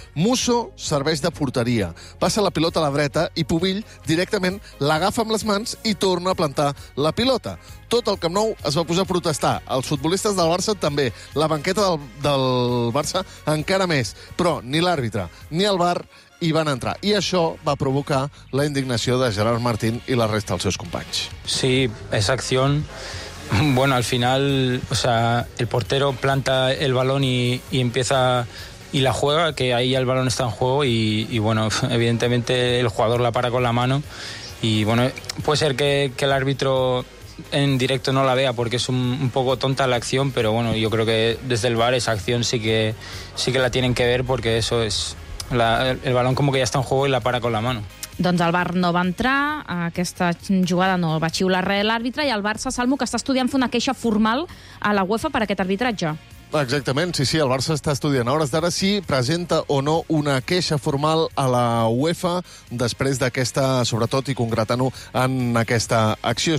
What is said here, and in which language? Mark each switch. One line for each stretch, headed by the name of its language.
Catalan: Musso serveix de porteria. Passa la pilota a la dreta i Pubill directament l'agafa amb les mans i torna a plantar la pilota. Tot el Camp Nou es va posar a protestar. Els futbolistes del Barça també. La banqueta del Barça encara més. Però ni l'àrbitre ni el VAR hi van entrar. I això va provocar la indignació de Gerard Martín i la resta dels seus companys. Sí, és acció.
Spanish: Bueno, al final, o sea, el portero planta el balón y empieza y la juega, que ahí ya el balón está en juego y bueno, evidentemente el jugador la para con la mano y bueno, puede ser que el árbitro en directo no la vea porque es un poco tonta la acción, pero bueno, yo creo que desde el VAR esa acción sí que la tienen que ver porque eso es el balón como que ya está en juego y la para con la mano.
Catalan: Doncs el VAR no va entrar, aquesta jugada no va xiular res l'àrbitre i el Barça, Salmo, que està estudiant fer una queixa formal a la UEFA per aquest arbitratge. Exactament, sí, el Barça està estudiant. A hores d'ara, sí, presenta o no una queixa formal a la UEFA després d'aquesta, sobretot, i concretant-ho en aquesta acció.